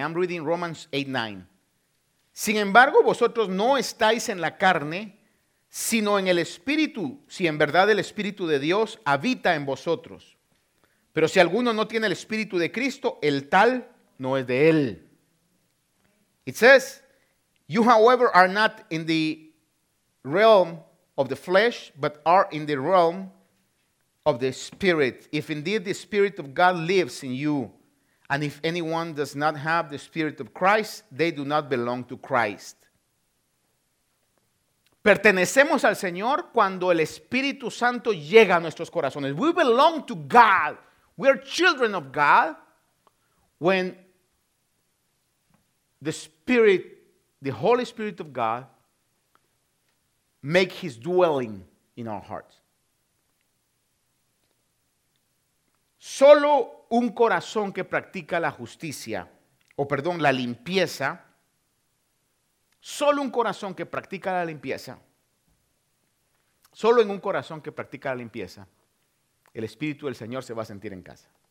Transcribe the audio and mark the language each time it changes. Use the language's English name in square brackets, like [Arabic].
[English] I'm reading Romans 8:9. [Spanish] Sin embargo, vosotros no estáis en la carne, sino en el Espíritu, si en verdad el Espíritu de Dios habita en vosotros. Pero si alguno no tiene el Espíritu de Cristo, el tal no es de él. [English] It says, you however are not in the realm of the flesh, but are in the realm of the Spirit, if indeed the Spirit of God lives in you. And if anyone does not have the Spirit of Christ, they do not belong to Christ. [Spanish] Pertenecemos al Señor cuando el Espíritu Santo llega a nuestros corazones. [English] We belong to God. We are children of God. When the Spirit, the Holy Spirit of God, make his dwelling in our hearts. [Spanish] Solo un corazón que practica la justicia, o perdón, la limpieza, solo un corazón que practica la limpieza, solo en un corazón que practica la limpieza, el Espíritu del Señor se va a sentir en casa.